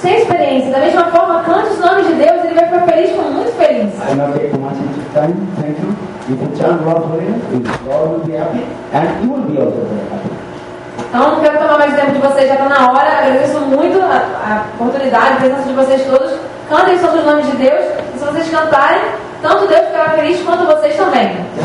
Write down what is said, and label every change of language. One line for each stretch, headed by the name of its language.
Portuguese: têm experiência, da mesma forma, cante os nomes de Deus, ele vai ficar feliz, ficar muito feliz.
English: I'm not taking much of your time, thank you. If you chant Lord's holy name, Lord will be happy, and you will be also very happy.
Portuguese: Então, não quero tomar mais tempo de vocês, já está na hora. Agradeço muito a oportunidade, a presença de vocês todos. Cantem sobre os nomes de Deus. E se vocês cantarem, tanto Deus ficará feliz quanto vocês também.